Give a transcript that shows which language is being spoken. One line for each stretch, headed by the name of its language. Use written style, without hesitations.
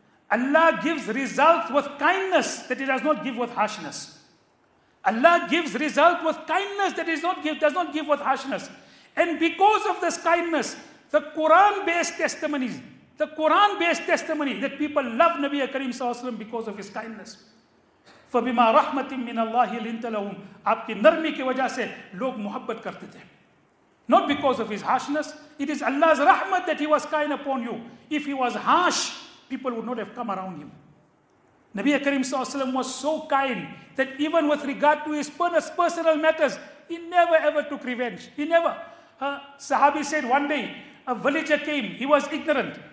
English: Allah gives results with kindness that He does not give with harshness. Allah gives result with kindness that does not give with harshness. And because of this kindness, the Quran-based testimony that people love Nabi Karim sallallahu alayhi wa sallam because of his kindness.
Arabic: فَبِمَا رَحْمَةٍ مِّنَ اللَّهِ لِنْتَ لَهُمْ
Urdu: آپکی نرمی کے وجہ سے لوگ محبت کرتے تھے.
English: Not because of his harshness. It is Allah's rahmat that he was kind upon you. If he was harsh, people would not have come around him. Nabi Karim sallallahu alayhi wa sallam was so kind that even with regard to his personal matters, he never ever took revenge. He never. Sahabi said one day, a villager came. He was ignorant.